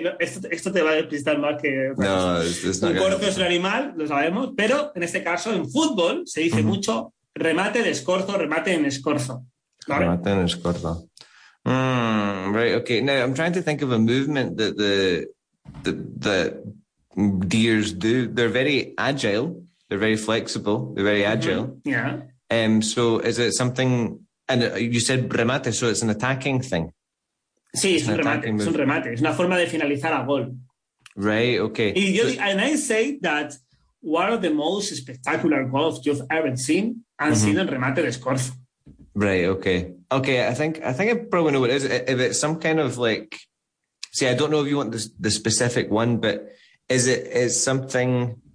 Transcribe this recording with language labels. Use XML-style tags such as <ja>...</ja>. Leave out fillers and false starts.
<es>No, esto te va a despistar más que.</es> <en>No, it's not.</en> <es>Un corzo es un animal, lo sabemos. Pero en este caso, en fútbol se dice mucho remate de escorzo, remate en escorzo. ¿Vale? Remate en escorzo.</es> <en>Right. Okay. Now I'm trying to think of a movement that the deers do. They're very agile. They're very flexible. They're very agile. Yeah. So is it something? And you said remate. So it's an attacking thing.</en> <es>Sí, es un remate. Es una forma de finalizar a gol.</es> <en>Right. Okay. And I say that one of the most spectacular goals you've ever seen</en> <es>has sido el remate de escorzo.</es> <en>Right. Okay. Okay, I think I probably know what it is. If it's some kind of like, see, I don't know if you want the specific one, but is it something?</en>